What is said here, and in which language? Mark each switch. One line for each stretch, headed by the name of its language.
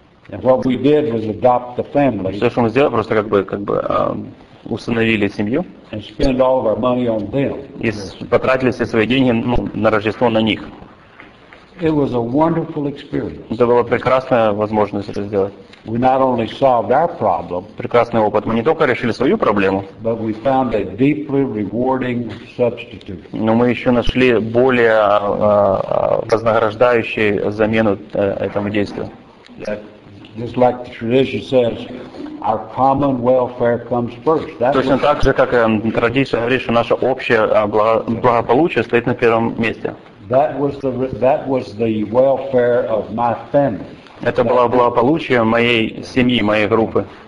English: And what we did was adopt the family.
Russian: Все, что мы сделали, просто как бы усыновили семью.
English: And spend all of our money on them.
Russian: И потратили все свои деньги на Рождество на них.
English: It was a wonderful experience.
Russian: Это была прекрасная возможность это сделать.
English: We not only solved our problem,
Russian: прекрасный опыт. Мы не только решили свою проблему,
English: but we found a deeply rewarding substitute.
Russian: Но мы еще нашли более вознаграждающую замену этому действию.
English: Just like the tradition says, our common welfare comes first.
Russian: Точно так же, как традиция говорит, что наше общее благополучие стоит на первом месте.
English: That was the welfare of my family.
Russian: Это было благополучие моей семьи, моей группы.